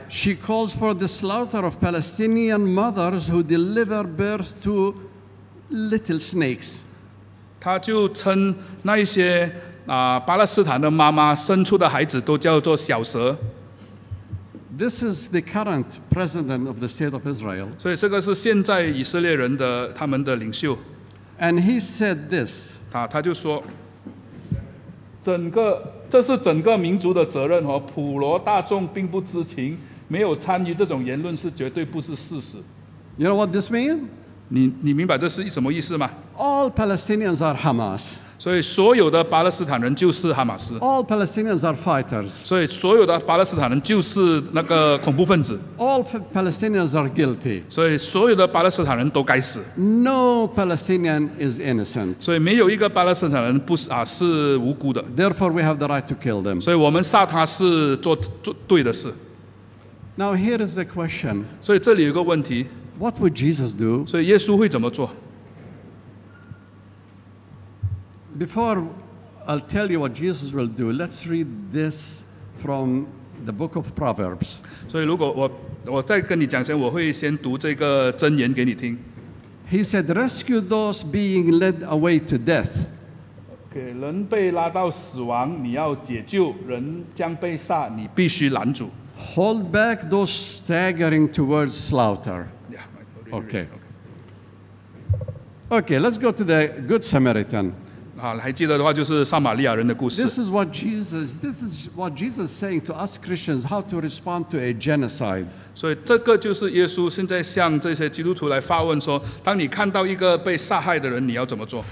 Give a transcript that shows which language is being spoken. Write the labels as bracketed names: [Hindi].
[English] She calls for the slaughter of Palestinian mothers who deliver birth to little snakes. [Chinese] 他就称那一些。巴勒斯坦的妈妈生出的孩子都叫做小蛇。 [English] This is the current president of the state of Israel. [Chinese] 所以这个是现在以色列人的他们的领袖。 [English] And he said this. [Chinese] 他就说，这是整个民族的责任，普罗大众并不知情，没有参与这种言论是绝对不是事实。 [English] You know what this means? [Chinese] 你明白这是什么意思吗？ [English] All Palestinians are Hamas. [Chinese] 所以所有的巴勒斯坦人就是哈马斯。 [English] All Palestinians are fighters. [Chinese] 所以所有的巴勒斯坦人就是那个恐怖分子。 [English] All Palestinians are guilty. [Chinese] 所以所有的巴勒斯坦人都该死。 [English] No Palestinian is innocent. [Chinese] 所以没有一个巴勒斯坦人不是无辜的。 [English] Therefore we have the right to kill them. [Chinese] 所以我们杀他是做对的事。 [English] Now here is the question. [Chinese] 所以这里有个问题。 [English] What would Jesus do? [Chinese] 所以耶稣会怎么做？ [English] Before I'll tell you what Jesus will do, let's read this from the book of Proverbs. [Chinese] 所以如果我再跟你讲先，我会先读这个箴言给你听。 [English] He said, rescue those being led away to death. [Chinese] Okay, 人被拉到死亡, 你要解救, 人将被杀, 你必须拦阻。 [English] Hold back those staggering towards slaughter. Yeah, okay. Okay, let's go to the Good Samaritan. [Chinese] 还记得的话就是撒玛利亚人的故事。 [English] This is what Jesus is saying to us Christians, how to respond to a genocide. [Chinese] 所以这个就是耶稣现在向这些基督徒来发问说, 当你看到一个被杀害的人, 你要怎么做?